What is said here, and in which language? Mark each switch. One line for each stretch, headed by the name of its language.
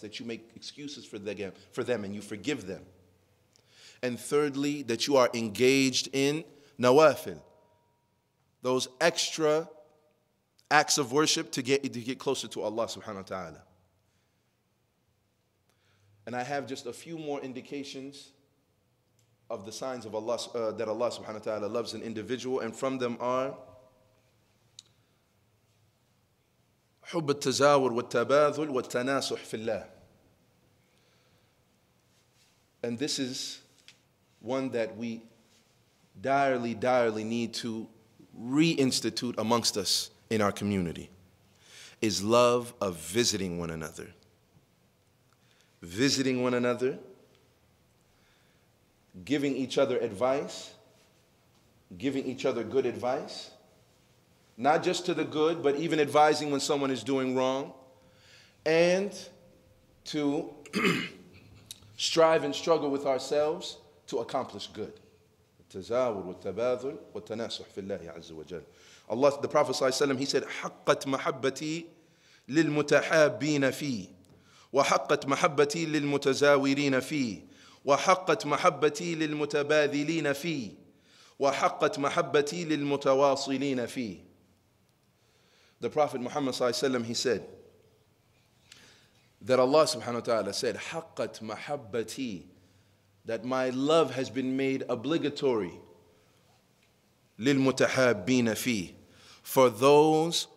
English: That you make excuses for them and you forgive them. And thirdly, that you are engaged in nawafil. Those extra acts of worship to get closer to Allah subhanahu wa ta'ala. And I have just a few more indications of the signs of that Allah subhanahu wa ta'ala loves an individual. And from them are
Arabic: حب التزاور والتباذل والتناصح في الله.
English: And this is one that we direly, direly need to reinstitute amongst us in our community, is love of visiting one another. Visiting one another, giving each other advice, giving each other good advice, not just to the good, but even advising when someone is doing wrong. And to strive and struggle with ourselves to accomplish good.
Arabic: التزاور والتباذل والتناصح في الله عز وجل.
English: Allah, the Prophet صلى الله عليه وسلم, he said,
Arabic: حقت محبتي للمتحابين في وحقت محبتي للمتزاورين في وحقت محبتي للمتباذلين في وحقت محبتي للمتواصلين في.
English: The Prophet Muhammad sallallahu alaihi wasallam, he said that Allah subhanahu wa ta'ala said,
Arabic: حَقَّتْ مَحَبَّتِي,
English: that my love has been made obligatory,
Arabic: لِلْمُتَحَابِّينَ فِي,
English: for those